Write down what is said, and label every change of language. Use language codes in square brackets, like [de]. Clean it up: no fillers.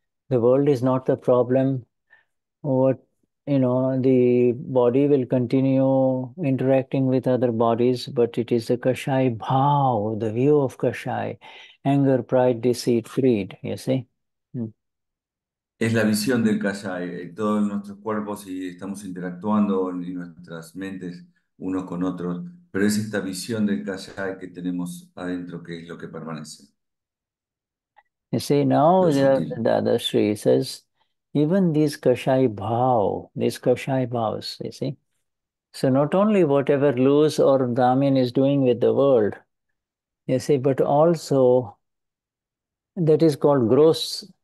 [en] The world is not the problem. What, you know, the body will continue interacting with other bodies, but it is the Kashaya Bhav, the view of Kashaya, anger, pride, deceit, greed, you see. [es] Es la visión del Kashay, todos nuestros cuerpos y estamos interactuando en nuestras mentes unos con otros, pero es esta visión del Kashay que tenemos adentro que es lo que permanece. [en] You see, now the other Sri says, even these Kashay Bhav, these Kashay Bhavs, you see, so not only whatever Luz or Damian is doing with the world, you see, but also that is called gross.